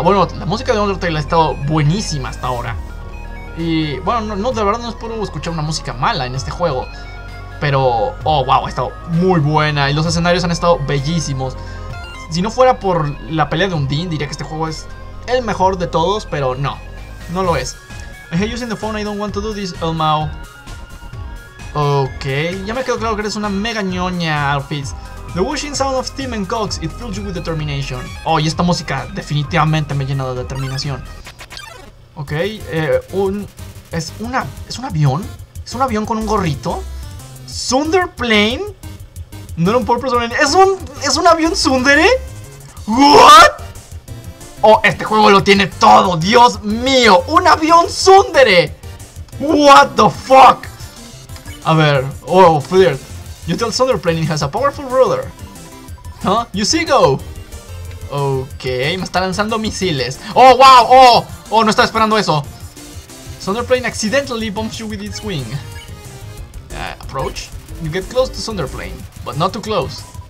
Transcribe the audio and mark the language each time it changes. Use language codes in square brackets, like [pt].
[es] Bueno, la música de Undertale ha estado buenísima hasta ahora. Y bueno, no, de verdad no es puro escuchar una música mala en este juego. Pero, oh wow, ha estado muy buena. Y los escenarios han estado bellísimos. Si no fuera por la pelea de Undine, diría que este juego es el mejor de todos. Pero no, no lo es. [en] I hate using the phone, I don't want to do this, Elmao. [es] Ok, ya me quedó claro que eres una mega ñoña, Alphys. [en] The whooshing sound of steam and cogs, it fills you with determination. [es] Oh, y esta música definitivamente me llena de determinación. Ok, es un avión. Es un avión con un gorrito. ¿Sunder plane? No era un purple sunder. ¿Es un avión sundere? ¿What? Oh, este juego lo tiene todo, Dios mío. ¡Un avión sundere! [en] What the fuck. [es] A ver, oh, flirt. [en] You tell Sunderplane he has a powerful ruler. [es] Huh? [en] You see go. [es] Ok, me está lanzando misiles. Oh, wow, oh, oh, no estaba esperando eso. [en] Sunderplane accidentally bumps you with its wing. Approach. You get close to Sunderplane, but not too close.